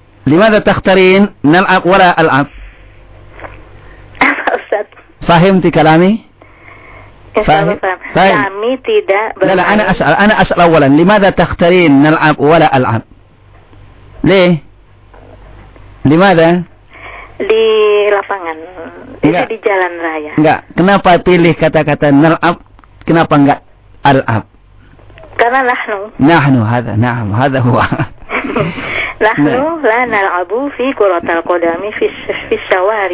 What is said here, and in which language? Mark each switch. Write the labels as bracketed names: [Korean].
[Arabic] لماذا تختارين نلعب ولا ألعب؟ فهمت كلامي؟ فهمت. فهم. كلامي تدا. لا أنا أسأل أولاً لماذا تختارين نلعب ولا ألعب؟ ليه؟ لماذا؟ [Indonesian] di lapangan. Di jalan raya. Enggak. Kenapa pilih kata-kata نلعب؟ Kenapa enggak ألعب؟ karena نحن. [Arabic] نحن هذا نعم هذا هو. نحن لا نلعب في كرة القدم في الشوارع.